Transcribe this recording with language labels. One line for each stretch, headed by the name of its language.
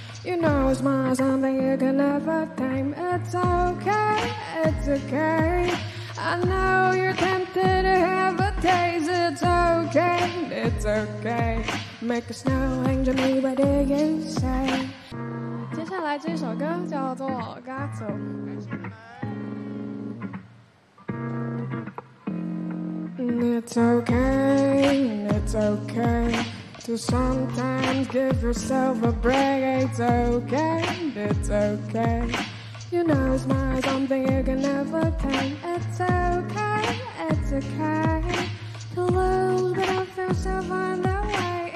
English: You know it's my something you can never tame. It's okay, it's okay. I know you're tempted to have a taste. It's okay, it's okay. Make a snow angel, me by the inside.
Chinese: 接下来这首歌叫做《嘎走》。
English: It's okay, it's okay to sometimes give yourself a break. It's okay, it's okay. You know it's not something you can never tame. It's okay, it's okay to lose a bit of yourself on the way.